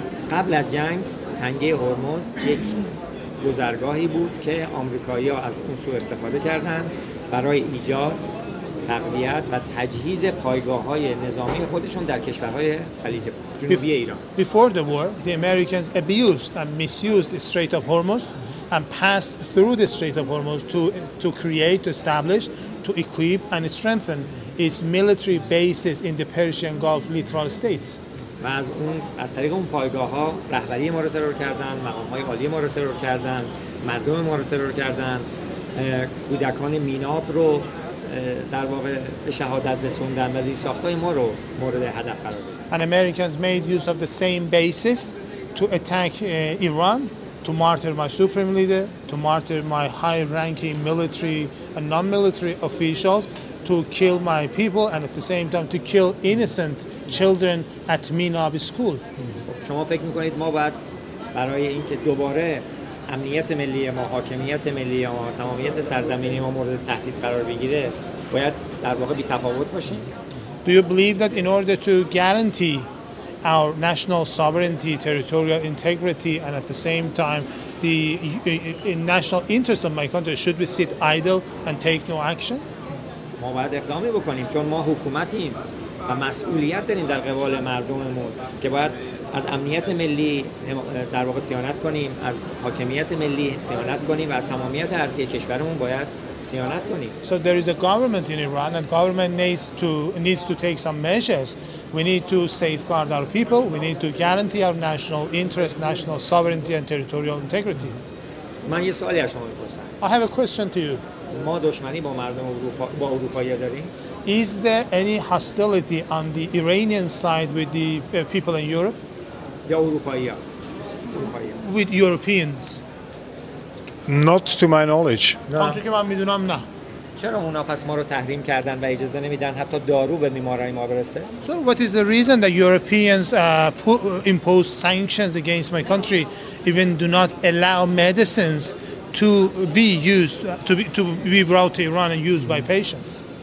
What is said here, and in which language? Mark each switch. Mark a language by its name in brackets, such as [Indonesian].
[Persian] قبل از جنگ تنگه هرمز یک گذرگاهی بود که آمریکایی‌ها از اون سو استفاده کردند برای ایجاد تقویت و تجهیز پایگاه‌های نظامی خودشون در کشورهای خلیج جنوبی ایران. [English] Before the war, the Americans abused and misused the Strait of Hormuz and passed through the Strait of Hormuz to create, to establish, to equip and strengthen its military bases in the Persian Gulf littoral states. [Persian] و از اون از طریق اون پایگاه‌ها رهبری ما رو ترور کردن، مقام‌های عالی ما رو ترور کردن، مردم ما رو ترور کردن، کودکان میناب رو در واقع به شهادت رسوندن و زیر ساختای ما رو مورد هدف قرار دادن. [English] And Americans made use of the same bases to attack Iran, to martyr my supreme leader, to martyr my high-ranking military and non-military officials, to kill my people, and at the same time to kill innocent children at Minab school. [Persian] شما فکر میکنید ما باید برای اینکه دوباره امنیت ملی ما، حاکمیت ملی ما، تمامیت سرزمینی ما مورد تهدید قرار بگیره، باید در واقع بی‌تفاوت باشیم؟ [English] Do you believe that in order to guarantee our national sovereignty, territorial integrity, and at the same time, the in national interest of my country, should we sit idle and take no action? [Persian] ما باید اقدامی بکنیم، چون ما حکومتیم و مسئولیت داریم در قبال مردممون که باید از امنیت ملی در واقع صیانت کنیم، از حاکمیت ملی صیانت کنیم و از تمامیت ارضی کشورمون باید صیانت کنیم. [English] So there is a government in Iran and government needs to take some measures. We need to safeguard our people. We need to guarantee our national interest, national sovereignty and territorial integrity. [Persian] من یه سوالی از شما می‌پرسم. [English] I have a question to you. [Persian] ما دشمنی با مردم اروپا با اروپایی داریم؟ [English] Is there any hostility on the Iranian side with the people in Europe? [Persian] یا اروپایی ها؟ [English] With Europeans? Not to my knowledge. No. [Persian] آنچه که من میدونم نه. چرا اونا پس ما رو تحریم کردن و اجازه نمیدن حتی دارو به بیمارای ما برسه؟ [English] So what is the reason that Europeans impose sanctions against my country, even do not allow medicines to be used, to be brought to Iran and used by patients?